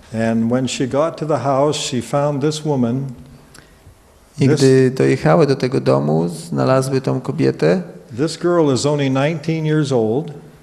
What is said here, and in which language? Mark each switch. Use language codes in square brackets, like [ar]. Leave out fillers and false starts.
[en] And when she got to the house, she found this woman. [pl] I gdy dojechały do tego domu, znalazły tą kobietę. [en] This girl is only 19 years old.